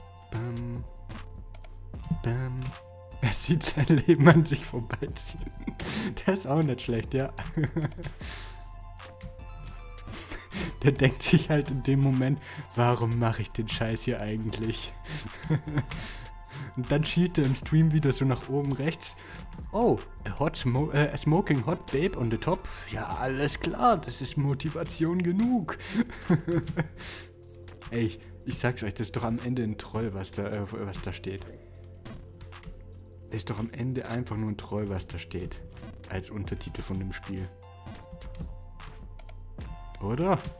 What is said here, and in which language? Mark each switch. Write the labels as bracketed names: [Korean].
[German] Bam. Bam. Er sieht sein Leben an sich vorbeiziehen. Der ist auch nicht schlecht, ja. Der denkt sich halt in dem Moment, warum mache ich den Scheiß hier eigentlich? Und dann schielt er im Stream wieder so nach oben rechts. [English] Oh, a smoking hot babe on the top. [German] Ja, alles klar, das ist Motivation genug. Ey, ich sag's euch, das ist doch am Ende ein Troll, was da steht. Das ist doch am Ende einfach nur ein Troll, was da steht. Als Untertitel von dem Spiel. Oder?